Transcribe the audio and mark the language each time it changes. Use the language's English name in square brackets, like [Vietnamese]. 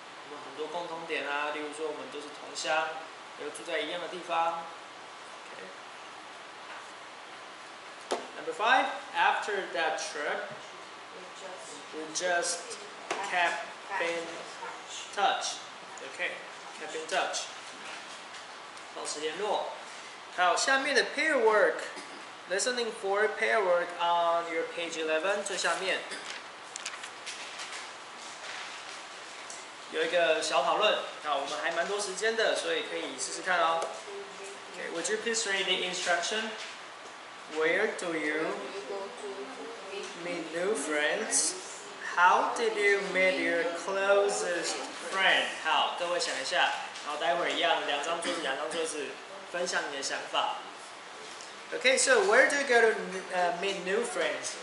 [Chinese] 我们很多共同点啊，例如说我们都是同乡，又住在一样的地方。 [English] Okay. Number five, after that trip, we just kept in touch. Okay. Keep in touch. [Chinese] 保持联络。好，下面的 [English] pair work. Listening for pair work on your page 11, [Chinese] 最下面。有一个小讨论。好，我们还蛮多时间的，所以可以试试看哦。 [English] Okay, would you please read the instruction? Where do you meet new friends? How did you meet your closest friend? [Chinese] 好，各位想一下。好，待会儿一样，两张桌子，两张桌子，分享你的想法。 [English] Okay, so where do you go to meet new friends?